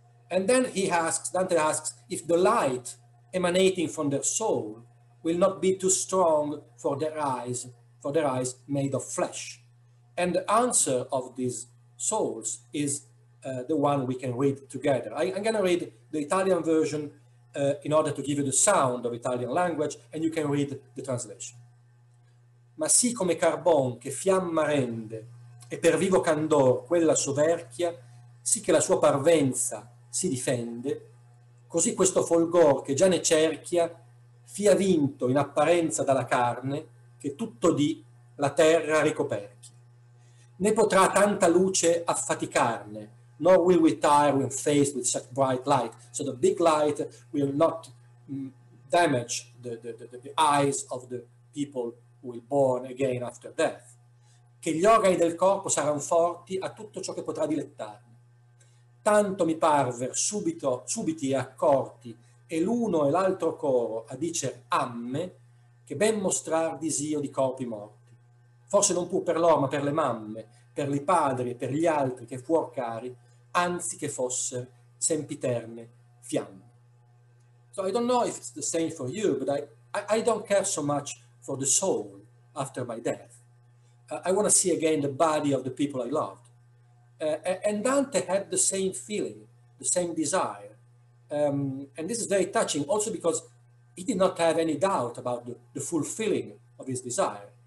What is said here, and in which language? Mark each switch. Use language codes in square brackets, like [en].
[en] And then Dante asks if the light emanating from their soul will not be too strong for their eyes made of flesh. And the answer of these souls is the one we can read together. I'm going to read the Italian version in order to give you the sound of Italian language, and you can read the translation. [it] Ma sì come carbon che fiamma rende, e per vivo candor quella soverchia, sì che la sua parvenza si difende, così questo folgor che già ne cerchia, fia vinto in apparenza dalla carne, che tutto di la terra ricoperchia. Ne potrà tanta luce affaticarne, [en] nor will we tire when faced with such bright light. So the big light will not damage the eyes of the people who will born again after death. [it] Che gli organi del corpo saranno forti a tutto ciò che potrà dilettarne. Tanto mi parver subiti e accorti, e l'uno e l'altro coro a dicer amme, che ben mostrar disio di corpi morti. Forse non pur per loro, ma per le mamme, per i padri e per gli altri che fuor cari, anzi che fosser sempiterne fiamme. [en] So I don't know if it's the same for you, but I don't care so much for the soul after my death. I want to see again the body of the people I loved. And Dante had the same feeling, the same desire. And this is very touching also because he did not have any doubt about the fulfilling of his desire.